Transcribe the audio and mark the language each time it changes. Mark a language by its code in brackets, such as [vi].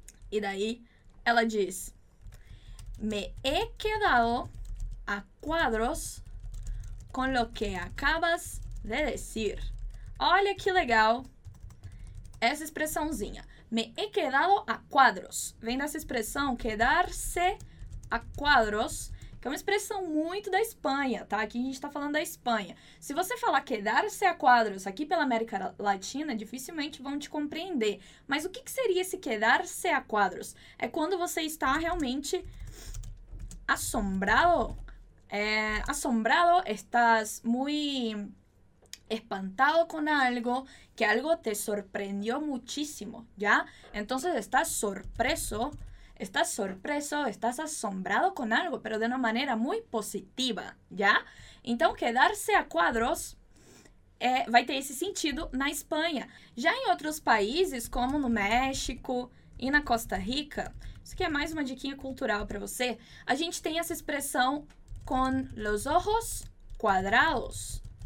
[pt] E daí, ela diz: [es] me he quedado a cuadros con lo que acabas de decir. [pt] Olha que legal essa expressãozinha. [es] Me he quedado a cuadros. [pt] Vem dessa expressão, quedar-se a cuadros, que é uma expressão muito da Espanha, tá? Aqui a gente tá falando da Espanha. Se você falar quedar-se a cuadros aqui pela América Latina, dificilmente vão te compreender. Mas o que, que seria esse quedar-se a cuadros? É quando você está realmente assombrado. Assombrado, estás muito espantado com algo, [es] que algo te sorprendió muchísimo, ¿ya? Entonces estás sorpreso, estás asombrado con algo, pero de una manera muy positiva, ¿ya? [pt] Então, quedarse a cuadros vai ter esse sentido na Espanha. Já em outros países, como no México e na Costa Rica, isso aqui é mais uma diquinha cultural para você, a gente tem essa expressão [es] con los ojos cuadrados.